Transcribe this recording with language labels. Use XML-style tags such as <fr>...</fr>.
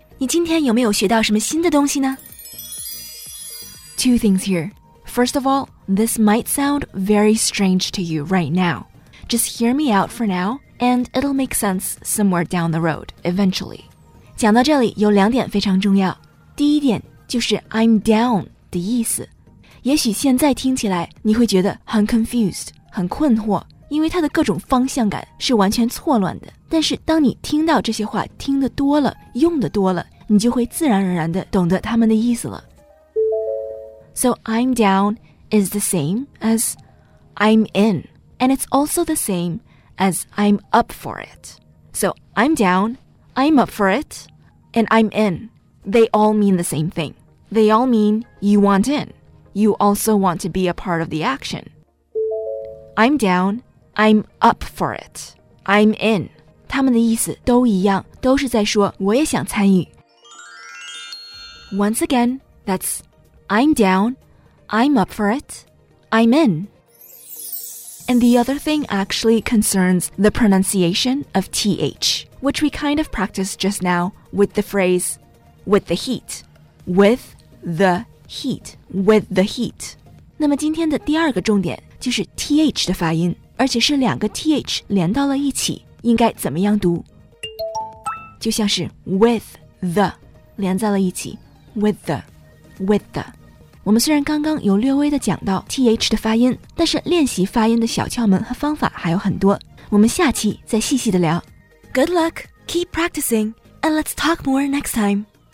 <zh>你今天有没有学到什么新的东西呢?</zh> <en>Two things here. First of all,This might sound very strange to you right now. Just hear me out for now, and it'll make sense somewhere down the road, eventually.</en> <zh>讲到这里有两点非常重要。第一点就是</zh> <en>I'm down</en> <zh>的意思。也许现在听起来你会觉得很</zh> <en>confused,</en> <zh>很困惑，因为它的各种方向感是完全错乱的。但是当你听到这些话听得多了，用得多了，你就会自然而然地懂得他们的意思了。</zh> <en>So I'm down is the same as I'm in, and it's also the same as I'm up for it. So I'm down, I'm up for it, and I'm in. They all mean the same thing. They all mean you want in. You also want to be a part of the action. I'm down. I'm up for it. I'm in.</en> <zh>他们的意思都一样，都是在说我也想参与。</zh> <en>Once again, that's I'm down, I'm up for it, I'm in. And the other thing actually concerns the pronunciation of TH, which we kind of practiced just now with the phrase with the heat. With the heat. With the heat.</en> <zh>那么今天的第二个重点就是 TH 的发音。而且是两个 th 连到了一起，应该怎么样读？就像是</zh> <en>with the</en> <zh>连在了一起 ，</zh> <en>with the with the。</en> <zh>我们虽然刚刚有略微的讲到 th 的发音，但是练习发音的小窍门和方法还有很多，我们下期再细细的聊。</zh> <en>Good luck, keep practicing, and let's talk more next time.</en>